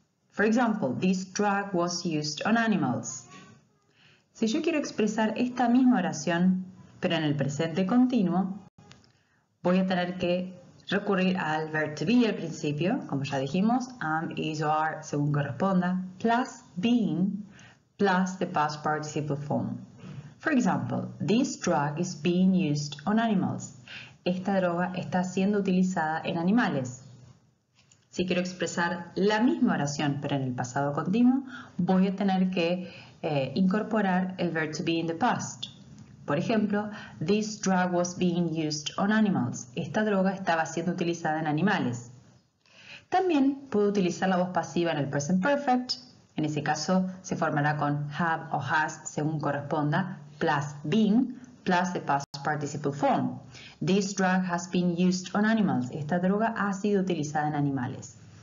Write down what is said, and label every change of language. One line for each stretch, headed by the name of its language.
English: For example, this drug was used on animals.
Spanish: Si yo quiero expresar esta misma oración, pero en el presente continuo, voy a tener que recurrir al verb to be al principio, como ya dijimos, am, is o are, según corresponda,
English: plus being, plus the past participle form. For example, this drug is being used on animals.
Spanish: Esta droga está siendo utilizada en animales. Si quiero expresar la misma oración, pero en el pasado continuo, voy a tener que incorporar el verb to be
English: in the past.
Spanish: Por ejemplo,
English: this drug was being used on animals.
Spanish: Esta droga estaba siendo utilizada en animales. También puedo utilizar la voz pasiva en el present perfect. En ese caso, se formará con have o has, según corresponda,
English: plus been, plus the past participle form. This drug has been used on animals.
Spanish: Esta droga ha sido utilizada en animales.